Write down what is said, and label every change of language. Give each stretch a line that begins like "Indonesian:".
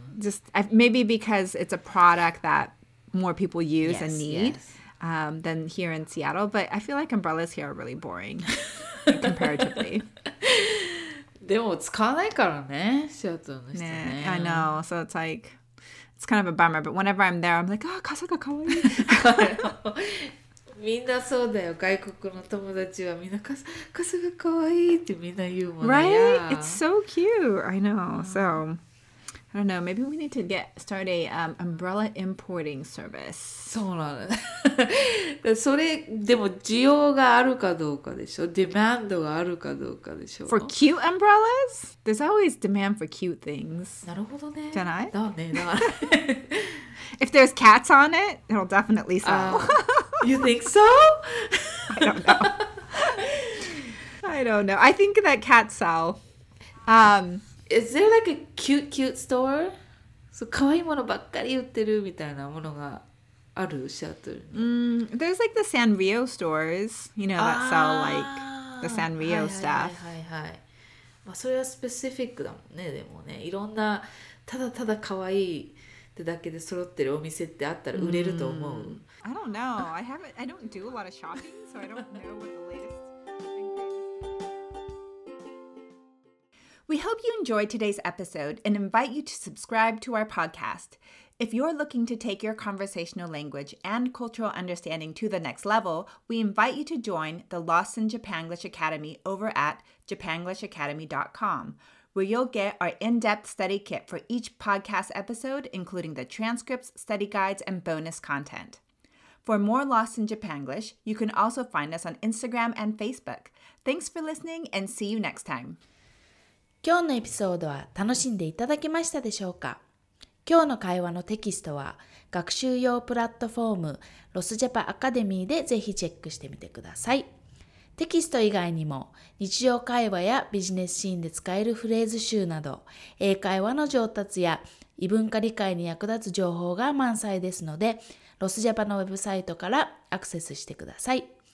English: Just maybe because it's a product that more people use and need yes. Than here in Seattle. But I feel like umbrellas here are really boring comparatively.
Japanese: でも使わないからね、シアトルの人ね。
English: I know. So it's like, it's kind of a bummer. But whenever I'm there, I'm like, ah,
Japanese: 傘がかわいい。みんなそうだよ。外国の友達はみんな傘がかわいいってみんな言うもん
English: ね。Right? It's so cute. I know. So, I don't know. Maybe we need to get started umbrella importing service.
Japanese: そうなんだ。それ、でも需要があるかどうかでしょ。 Demand があるかどうかでしょ。
English: For cute umbrellas? There's always demand for cute things.
Japanese: なるほどね。じゃない? だね、だ。
English: If there's cats on it, it'll definitely sell. You think so? I don't know. I don't know. I think that cats sell. Is there like a cute, cute store?
Japanese: So, kawaii mono bakkari utteru mitaina mono ga aru shatteru.
English: There's like the Sanrio stores, you know, that sell like the Sanrio stuff.
Japanese: Hi, hi, hi. Ma, それは specific だもんね。でもね、いろんなただただ可愛いってだけで揃ってるお店ってあったら売れると思う。
English: I don't know. I haven't. I don't do a lot of shopping, so I don't know what the latest. We hope you enjoyed today's episode and invite you to subscribe to our podcast. If you're looking to take your conversational language and cultural understanding to the next level, we invite you to join the Lost in Japanglish Academy over at japanglishacademy.com. where you'll get our in-depth study kit for each podcast episode, including the transcripts, study guides, and bonus content. For more Lost in Japanglish, you can also find us on Instagram and Facebook. Thanks for listening, and see you next time!
Japanese: 今日のエピソードは楽しんでいただけましたでしょうか?今日の会話のテキストは、学習用プラットフォーム、ロスジャパアカデミーでぜひチェックしてみてください。テキスト以外にも日常会話やビジネスシーンで使えるフレーズ集など英会話の上達や異文化理解に役立つ情報が満載ですのでロスジャパのウェブサイトからアクセスしてください。